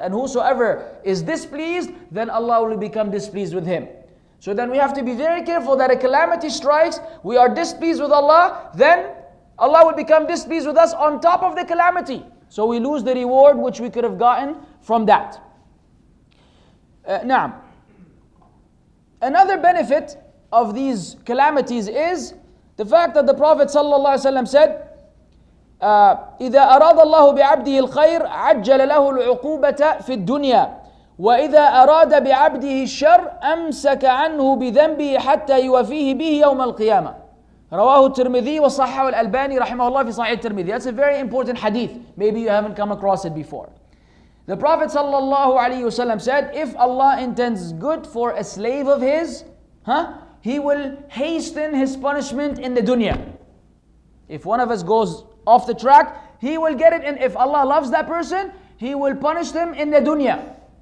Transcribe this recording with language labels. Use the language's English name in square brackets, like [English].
[English] And whosoever is displeased, then Allah will become displeased with him. So then we have to be very careful that a calamity strikes, we are displeased with Allah, then Allah will become displeased with us on top of the calamity. So we lose the reward which we could have gotten from that. Na'am. Another benefit of these calamities is the fact that the Prophet ﷺ said, [Arabic] إِذَا أَرَادَ اللَّهُ بِعَبْدِهِ الْخَيْرِ عَجَّلَ لَهُ الْعُقُوبَةَ فِي الدُّنْيَا وَإِذَا أَرَادَ بِعَبْدِهِ الشَّرْ أَمْسَكَ عَنْهُ بِذَنْبِهِ حَتَّى يُوَفِيهِ بِهِ يَوْمَ الْقِيَامَةِ رواه الترمذي وصححه الألباني رحمه الله في صحيح الترمذي. [English] That's a very important hadith. Maybe you haven't come across it before. The Prophet ﷺ said, if Allah intends good for a slave of his, huh, he will hasten his punishment in the dunya. If one of us goes off the track, he will get it. And if Allah loves that person, he will punish them in the dunya.